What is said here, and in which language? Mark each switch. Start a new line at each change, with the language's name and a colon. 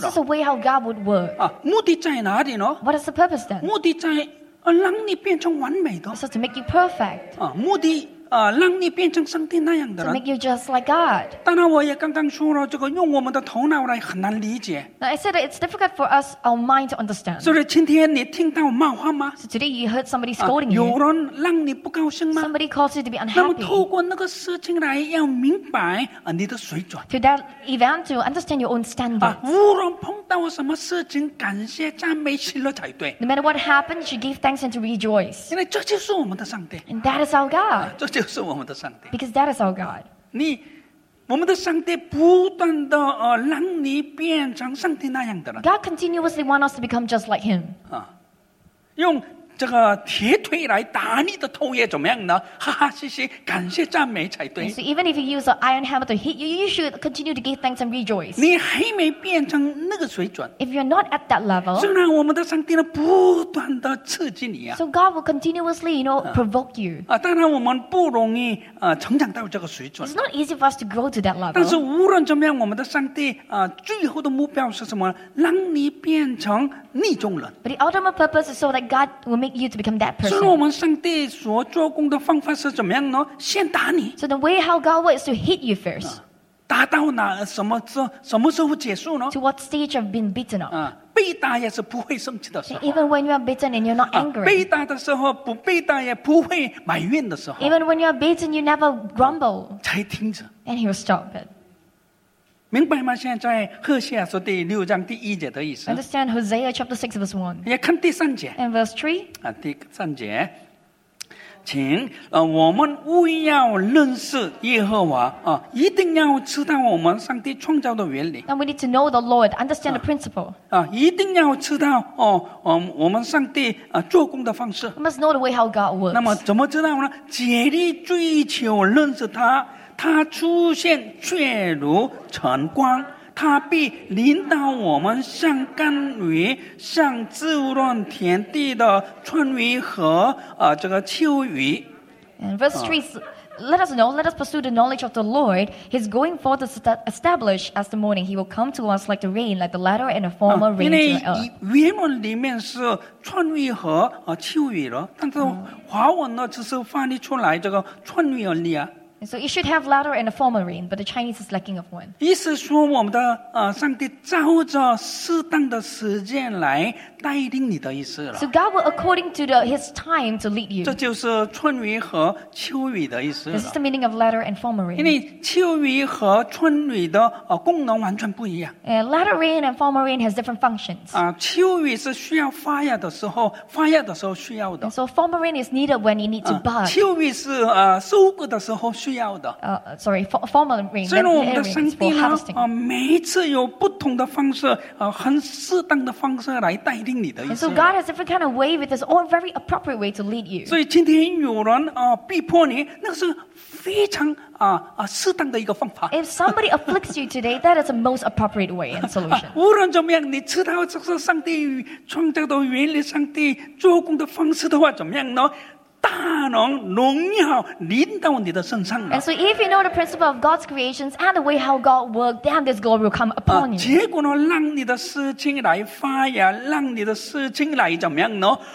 English: This is the way how God would work.
Chinese: 目的在哪里呢？
English: What is the purpose then?
Chinese: 目的在，让你变成完美的。
English: So to make you perfect.
Chinese: 目的。让你变成上帝那样的人。
English: To make you just like God.
Chinese: 当然，我也刚刚说了，这个用我们的头脑来很难理解。
English: Now I said it's difficult for us our mind to understand.
Chinese: 所以今天你听到骂话吗
English: ？So today you heard somebody scolding you.
Chinese: 有人让你不高兴吗
English: ？Somebody caused you to be unhappy.
Chinese: 那么透过那个事情来要明白你的水准。
English: To that event to understand your own standard.
Chinese: 无论碰到什么事情，感谢赞美喜乐才对。
English: No matter what happens, you give thanks and to rejoice.
Chinese: 因为这就是我们的上帝。
English: And that is our God.
Chinese: 就是我们的上帝。 Because that is our God. 你，我们的上帝不断的让你变成上帝那样的人。
English: God continuously wants us to become just like Him.
Chinese: 用这个铁腿来打你的头也怎么样呢？哈哈，嘻嘻，感谢赞美才对。
English: So even if you use an iron hammer to hit you, you should continue to give thanks and rejoice.
Chinese: 你还没变成那个水准。
English: If you're not at that level,
Chinese: 虽然我们的上帝呢不断的刺激你啊。
English: So God will continuously, you know, provoke you.
Chinese: 当然我们不容易成长到这个水准。
English: It's not easy for us to grow to that level.
Chinese: 但是无论怎么样，我们的上帝最后的目标是什么？让你变成逆中人。
English: But the ultimate purpose is so that God will make you to become that person.
Chinese: 所以我们上帝所做工的方法是怎么样呢？先打你。
English: So the way how God works is to hit you first.
Chinese: 打到哪？什么时候结束呢
English: ？To what stage have been beaten up?
Chinese: 被打也是不会生气的时候。
English: Even when you are beaten and you're not angry.
Chinese: 被打的时候不被打也不会埋怨的时候。
English: Even when you are beaten, you never grumble.
Chinese: 才听着。
English: And he will stop it.
Chinese: 明白吗？现在赫西亚书第六章第一节的意思。
English: Understand Hosea chapter 6 verse 1.
Chinese: 也看第三节。
English: And verse 3.
Chinese: 第三节，请我们务要认识耶和华一定要知道我们上帝创造的原理。
English: And we need to know the Lord, understand the principle.
Chinese: 一定要知道我们上帝做工的方式。
English: We must know the way how God works.
Chinese: 那么怎么知道呢？竭力追求认识他。他出现却如晨光，他必临到我们像甘雨，像滋润田地的春雨和这个秋雨。
English: And verse 3, let us know, let us pursue the knowledge of the Lord. His going forth is established as the morning. He will come to us like the rain, like the latter and the former rain to the earth.
Chinese: 因为原文里面是春雨和秋雨了，但是华文呢只是翻译出来这个春雨而已啊。
English: So it should have latter and a former rain, but the Chinese is lacking of one.
Chinese: 意思说我们的上帝照着适当的时间来带领你的意思了。
English: So God will according to his time to lead you.
Chinese: 这就是春雨和秋雨的意思了。
English: This is the meaning of latter and former rain.
Chinese: 因为秋雨和春雨的功能完全不一样。
English: Latter rain and former rain has different functions.
Chinese: 秋雨是需要发芽的时候，发芽的时候需要的。
English: And so former rain is needed when you need to bud.
Chinese: 秋雨是收割的时候。需要的。
English: Formal rain.
Chinese: 所以呢，我们的上帝呢，每一次有不同的方式，很适当的方式来带领你的意思。
English: And so God has different kind of way with His own very appropriate way to lead you.
Chinese: 所以今天有人逼迫你，那是非常适当的一个方法。
English: If somebody afflicts you today, that is the most appropriate way and solution.
Chinese: 无论怎么样，你知道这是上帝创造的原理，上帝做工的方式的话，怎么样呢？大能荣耀临到你的身上了。
English: And so, if you know the principle of God's creations and the way how God worked, then this glory will come upon you.
Chinese: 结果呢，让你的事情来发芽，让你的事情来怎么样呢？